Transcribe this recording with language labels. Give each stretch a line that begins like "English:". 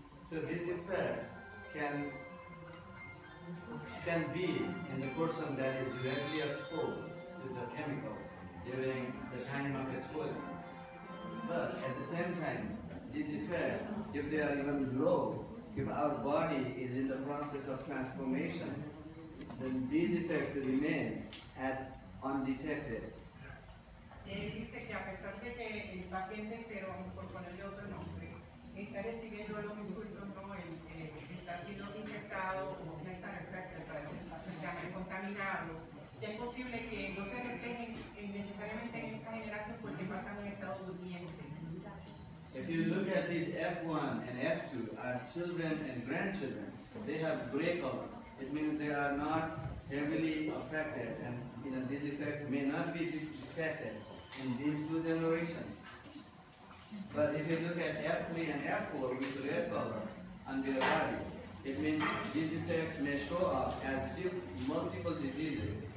English: So this effect can be in the person that is directly exposed to the chemicals during the time of exposure. But at the same time, these effects, if they are even low, if our body is in the process of transformation, then these effects remain as undetected.
Spanish: Él dice que a pesar de que el paciente cero, por ponerle otro nombre, está recibiendo los insultos, ¿no? Está siendo infectado o está contaminado, es posible que no se reflejen necesariamente en esa generación porque pasan en estado durmiente.
English: If you look at these F1 and F2, our children and grandchildren, they have breakout. It means they are not heavily affected, and you know, these effects may not be detected in these two generations. But if you look at F3 and F4 with red color on their body, it means these effects may show up as multiple diseases.